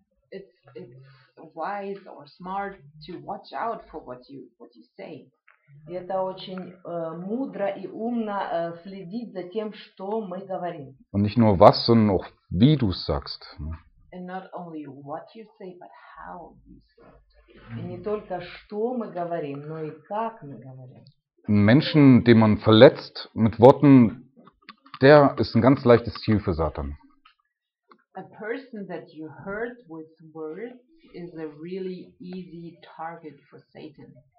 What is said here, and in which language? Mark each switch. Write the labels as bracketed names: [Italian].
[English] It's wise or smart to watch out for what you say. [Russian] Это очень мудро и умно следить за тем, что мы говорим. [German] Und nicht nur was, sondern auch wie du es sagst. [English] And not only what you say, but how you say it. [Russian] И не только что мы говорим, но и как мы говорим. [German] Ein Menschen, den man verletzt mit Worten, der ist ein ganz leichtes Ziel für Satan. [English] A person that you hurt with words is a really easy target for Satan.